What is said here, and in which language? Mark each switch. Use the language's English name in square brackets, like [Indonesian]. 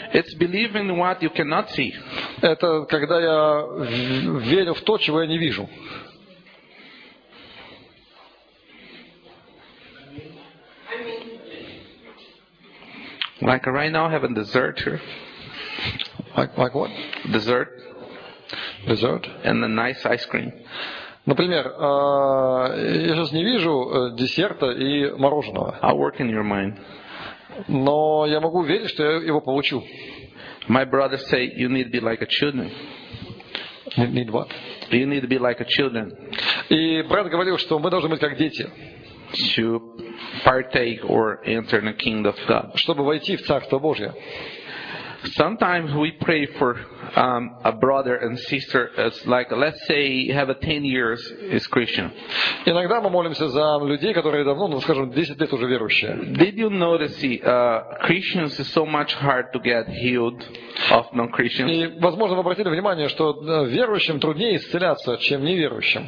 [English] it's believing what you cannot see. [Russian] Это когда я верю в то, чего я не вижу. [English] Like right now, I have a dessert here. Like what? Dessert. Dessert. And a nice ice cream. [Russian] Например, я сейчас не вижу десерта и мороженого. [English] I'll work in your mind. [Russian] Но я могу верить, что я его получу. [English] My brother say you need to be like a children. Need what? You need to be like a children. [Russian] И брат говорил, что мы должны быть как дети. [English] To partake or enter the kingdom of God. [Russian] Чтобы войти в Царство Божье. [English] Sometimes we pray for a brother and sister as like, let's say, have a 10 years is Christian. [Russian] Иногда мы молимся за людей, которые давно, ну, скажем, 10 лет уже верующие. [English] Did you notice, Christians is so much hard to get healed of non-Christians? [Russian] И, возможно, вы обратили внимание, что верующим труднее исцеляться, чем неверующим.